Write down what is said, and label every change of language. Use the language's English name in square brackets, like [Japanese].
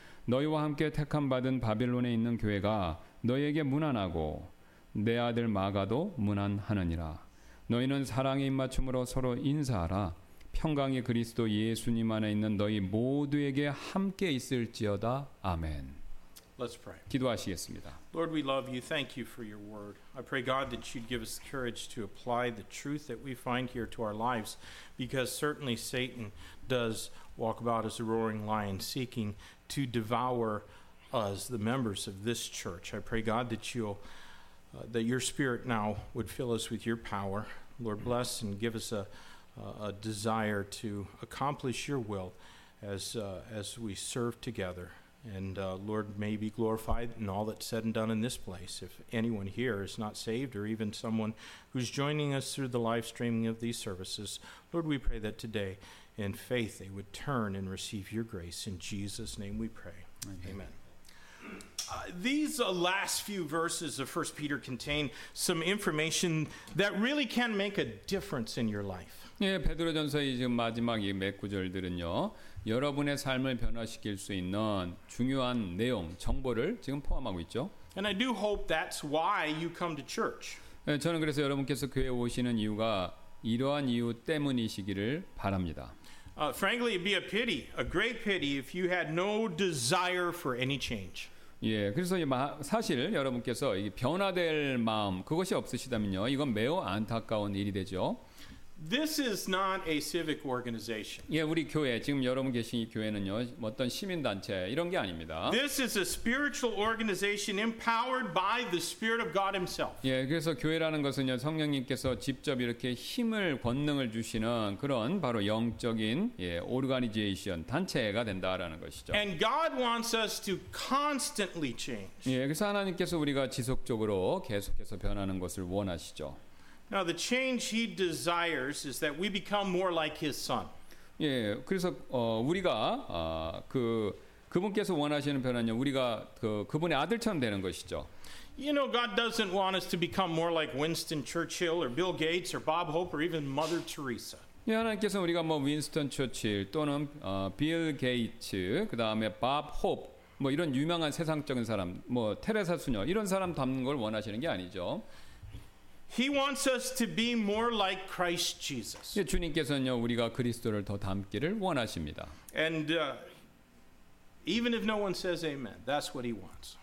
[Korean] 너희와 함께 택함 받은 바빌론에 있는 교회가 너희에게 문안하고 내 아들 마가도 문안하느니라. 너희는 사랑의 입맞춤으로 서로 인사하라. 평강의 그리스도 예수님 안에 있는 너희 모두에게 함께 있을지어다. 아멘. [English] Let's pray. [Korean] 기도하시겠습니다. [English] Lord, we love you. Thank you for your word. I pray, God, that you'd give us the courage to apply the truth that we find here to our lives, because certainly Satan does walk about as a roaring lion, seeking to devour us, the members of this church. I pray, God, that you'll that your spirit now would fill us with your power. Lord, bless and give us a desire to accomplish your will as we serve together. And Lord, may be glorified in all that's said and done in this place. If anyone here is not saved or even someone who's joining us through the live streaming of these services, Lord, we pray that today in faith they would turn and receive your grace. In Jesus' name we pray. Amen. These last few verses of 1 Peter contain some information that really can make a difference in your life. [Korean] 예, 베드로전서의 지금 마지막 이 몇 구절들은요. 여러분의 삶을 변화시킬 수 있는 중요한 내용, 정보를 지금 포함하고 있죠. [English] And I do hope that's why you come to church. [Korean] 예, 저는 그래서 여러분께서 교회에 오시는 이유가 이러한 이유 때문이시기를 바랍니다. [English] Frankly, it'd be a pity, a great pity if you had no desire for any change. [Korean] 예, 그래서 사실 여러분께서 이게 변화될 마음 그것이 없으시다면요. 이건 매우 안타까운 일이 되죠. [English] This is not a civic organization. [Korean] 예, 우리 교회 지금 여러분 계신 이 교회는요. 어떤 시민 단체 이런 게 아닙니다. [English] This is a spiritual organization empowered by the Spirit of God himself. [Korean] 예, 그래서 교회라는 것은요. 성령님께서 직접 이렇게 힘을 권능을 주시는 그런 바로 영적인 예, 오르가니제이션 단체가 된다라는 것이죠. [English] And God wants us to constantly change. [Korean] 예, 그래서 하나님께서 우리가 지속적으로 계속해서 변하는 것을 원하시죠. [English] Now the change he desires is that we become more like his son. [Korean] 예, 그래서 우리가 그 그분께서 원하시는 변화는요. 우리가 그 그분의 아들처럼 되는 것이죠. [English] You know God doesn't want us to become more like Winston Churchill or Bill Gates or Bob Hope or even Mother Teresa. [Korean] 예, 하나님께서 우리가 뭐 윈스턴 처칠 또는 빌 게이츠 그다음에 밥 홉 뭐 이런 유명한 세상적인 사람 뭐 테레사 수녀 이런 사람 닮는 걸 원하시는 게 아니죠. [English] He wants us to be more like Christ Jesus. [Korean] 예, 주님께서는요 우리가 그리스도를 더 닮기를 원하십니다. [English] And even if no one says amen, that's what he wants.